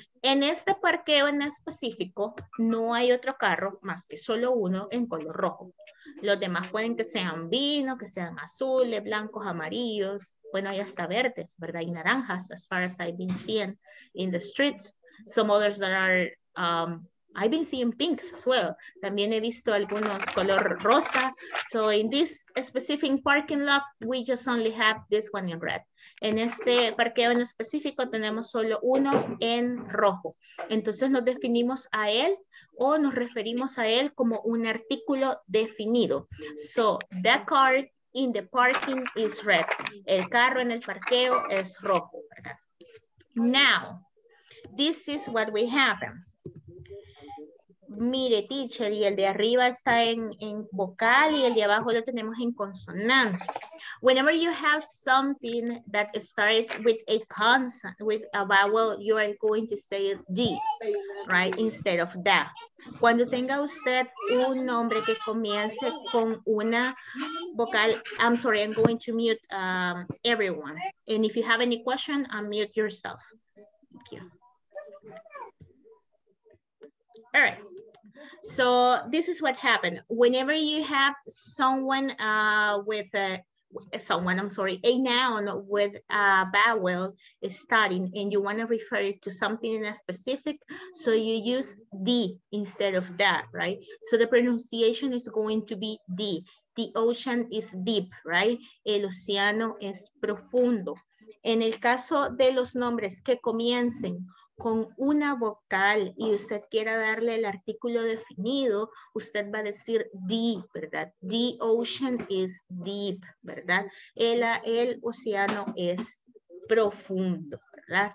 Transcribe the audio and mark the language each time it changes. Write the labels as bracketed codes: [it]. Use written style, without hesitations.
[es] En este parqueo en específico no hay otro carro más que solo uno en color rojo. Los demás pueden que sean vino, que sean azules, blancos, amarillos. Bueno, hay hasta verdes, ¿verdad? Y naranjas, [en] as far as I've been seeing in the streets. Some others that are I've been seeing pinks as well. [es] También he visto algunos color rosa. [en] So in this specific parking lot, we just only have this one in red. [es] En este parqueo en específico tenemos solo uno en rojo. Entonces nos definimos a él o nos referimos a él como un artículo definido. [en] So the car in the parking is red. [es] El carro en el parqueo es rojo. [en] Now, this is what we have. [es] Mire, teacher, y el de arriba está en vocal y el de abajo lo tenemos en consonante. [en] Whenever you have something that starts with a consonant, with a vowel, you are going to say D, right? Instead of that. [es] Cuando tenga usted un nombre que comience con una vocal, [en] I'm sorry, I'm going to mute everyone. And if you have any question, unmute yourself. Thank you. All right. So this is what happened. Whenever you have someone a noun with a vowel starting and you want to refer it to something in a specific, so you use D instead of that, right? So the pronunciation is going to be D. The ocean is deep, right? [es] El océano es profundo. En el caso de los nombres que comiencen con una vocal y usted quiera darle el artículo definido, usted va a decir deep, ¿verdad? [en] The ocean is deep, [es] ¿verdad? El océano es profundo, ¿verdad?